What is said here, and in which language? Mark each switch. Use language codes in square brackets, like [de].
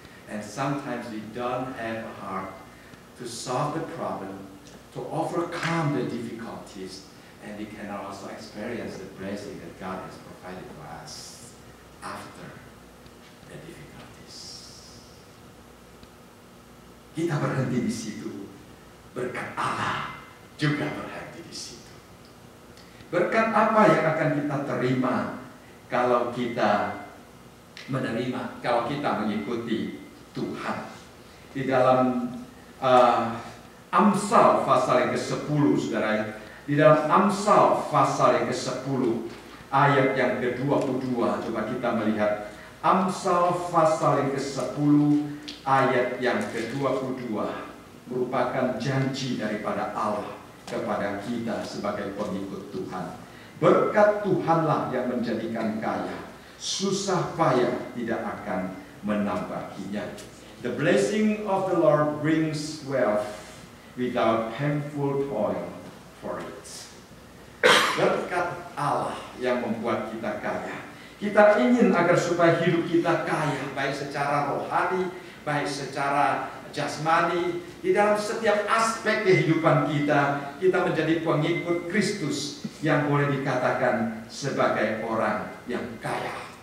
[en] And sometimes we don't have a heart to solve the problem, to overcome the difficulties, and we can also experience the blessing that God has provided for us after the difficulties. [id] Kita berhenti di situ. Berkat Allah juga berhenti di situ. Berkat apa yang akan kita terima kalau kita menerima, kalau kita mengikuti Tuhan? Di dalam Amsal pasal yang ke-10, saudara, di dalam Amsal pasal yang ke-10 ayat yang ke-22, coba kita melihat Amsal pasal yang ke-10 ayat yang ke-22 merupakan janji daripada Allah kepada kita sebagai pengikut Tuhan. Berkat Tuhanlah yang menjadikan kaya, susah payah tidak akan menambahinya. [en] The blessing of the Lord brings wealth without painful toil for it. [id] Berkat Allah yang membuat kita kaya. Kita ingin agar supaya hidup kita kaya, baik secara rohani, baik secara jasmani. Di dalam setiap aspek kehidupan kita, kita menjadi pengikut Kristus yang boleh dikatakan sebagai orang yang kaya.